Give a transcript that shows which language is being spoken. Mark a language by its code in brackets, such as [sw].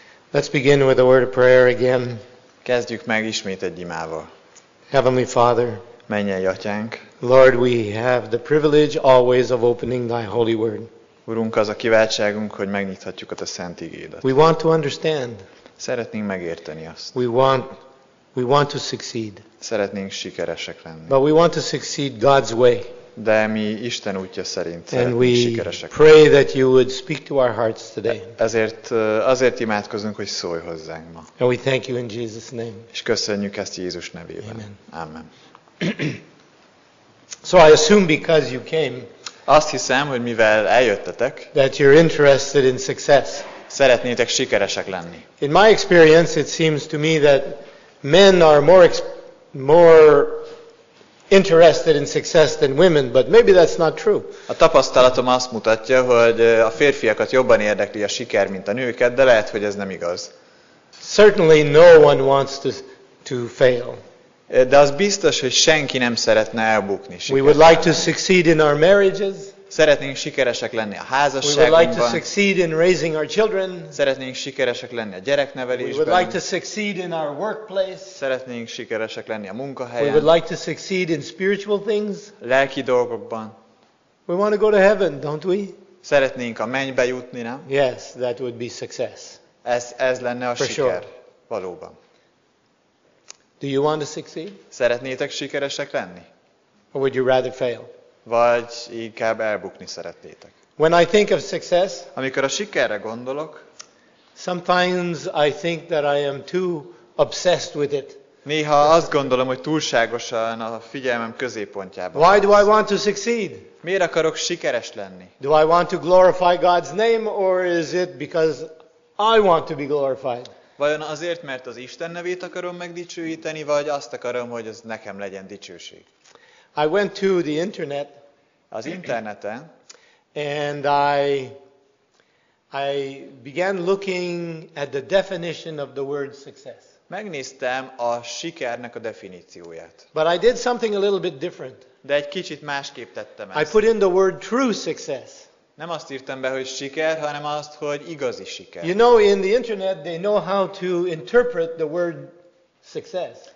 [en] Let's begin with a word of prayer again. [hu] Kezdjük meg ismét egy imával. [en] Heavenly Father, [hu] mennyei Atyánk, [en] Lord, we have the privilege always of opening thy holy word. [hu] Urunk, az a kiváltságunk, hogy megnyithatjuk a te szent igédet. [en] We want to understand. [hu] Szeretnénk megérteni azt. [en] We want to succeed. [hu] Szeretnénk sikeresek lenni. [en] But we want to succeed God's way. [hu] De mi Isten útja szerint [en] and [hu] szeretnénk sikeresek. [en] Pray that you would speak to our hearts today. [hu] Ezért imádkozunk, hogy szólj hozzánk ma. [en] And we thank you in Jesus' name. [hu] És köszönjük ezt Jézus nevében. [en] Amen. [hu] Amen. [en] So I assume because you came, [hu] azt hiszem, hogy mivel eljöttetek, [en] that you're interested in success. [hu] Szeretnétek sikeresek lenni. [en] In my experience, it seems to me that men are more interested in success than women, but maybe that's not true. [hu] A tapasztalatom azt mutatja, hogy a férfiakat jobban érdekli a siker, mint a nőket, de lehet, hogy ez nem igaz. [en] Certainly no one wants to fail. [hu] De az biztos, hogy senki nem szeretne elbukni sikerben. [en] We would like to succeed in our marriages. [hu] Szeretnénk sikeresek lenni a házasságunkban. [en] We would like to succeed in raising our children. [hu] Szeretnénk sikeresek lenni a gyereknevelésben. [en] We would like to succeed in our workplace. [hu] Szeretnénk sikeresek lenni a munkahelyen. [en] We would like to succeed in spiritual things. [hu] Lelki dolgokban. [en] We want to go to heaven, don't we? [hu] Szeretnénk a mennybe jutni, nem? [en] Yes, that would be success. [hu] Ez lenne a [en] for [hu] siker. [en] Sure. [hu] Valóban. [en] Do you want to succeed? [hu] Szeretnétek sikeresek lenni? [en] Or would you rather fail? [hu] Vagy inkább elbukni szeretnétek. [en] When I think of success, [hu] amikor a sikerre gondolok, [en] sometimes I think that I am too obsessed with it. [hu] Néha azt gondolom, hogy túlságosan a figyelmem középpontjában. [en] Why do I want to succeed? [hu] Miért akarok sikeres lenni? [en] Do I want to glorify God's name, or is it because I want to be glorified? [hu] Vajon azért, mert az Isten nevét akarom megdicsőíteni, vagy azt akarom, hogy ez nekem legyen dicsőség? [en] I went to the internet, [hu] az interneten, [en] and I began looking at the definition of the word success. [hu] Megnéztem a sikernek a definícióját. [en] But I did something a little bit different. [hu] De egy kicsit másképp tettem ezt. [en] I put in the word true success. [hu] Nem azt írtam be, hogy siker, hanem azt, hogy igazi siker. [en] You know, in the internet, they know how to interpret the word success.